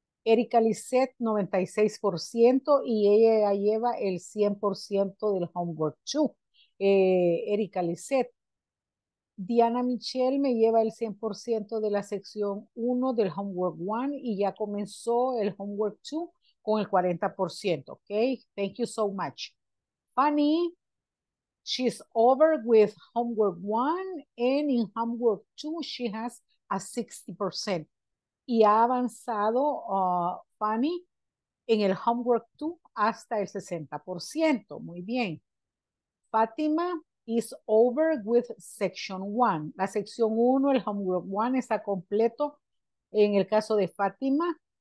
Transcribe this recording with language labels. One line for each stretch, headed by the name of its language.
Spanish: Erika Lisset, 96%, y ella ya lleva el 100% del homework 2. Erika Lisset. Diana Michelle me lleva el 100% de la sección 1 del homework 1 y ya comenzó el homework 2 con el 40%.
English: Ok, thank you so much. Fanny, she's over with homework 1 and in homework 2 she has a 60%.
Spanish: Y ha avanzado Fanny en el homework 2 hasta el 60%. Muy bien.
English: Fátima is over with section 1.
Spanish: La sección 1, el homework 1, está completo en el caso de Fátima.